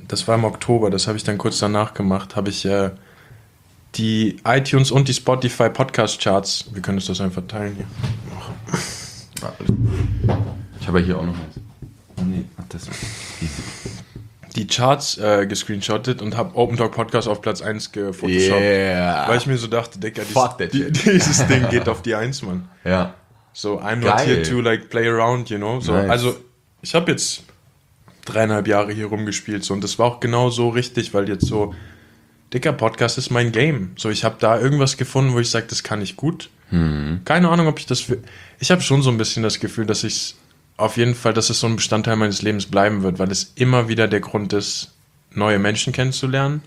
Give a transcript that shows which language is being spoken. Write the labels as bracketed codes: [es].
[de] Das war im Oktober, das habe ich dann kurz danach gemacht, habe ich die iTunes und die Spotify Podcast-Charts, wir können das einfach teilen hier. Ich habe ja hier auch noch eins. Die Charts gescreenshottet und habe Open Talk Podcast auf Platz 1 gefotoshoppt. Yeah. Weil ich mir so dachte, Digga, dieses Ding geht auf die 1, Mann. Ja. [en] So, I'm not here to like play around, you know. [de] So, nice. Also, ich habe jetzt 3,5 Jahre hier rumgespielt so, und das war auch genau so richtig, weil jetzt so, Digga, Podcast ist mein Game. So, ich habe da irgendwas gefunden, wo ich sage, das kann ich gut. Keine Ahnung, ob ich das für. Ich habe schon so ein bisschen das Gefühl, dass ich es auf jeden Fall, dass es so ein Bestandteil meines Lebens bleiben wird, weil es immer wieder der Grund ist, neue Menschen kennenzulernen.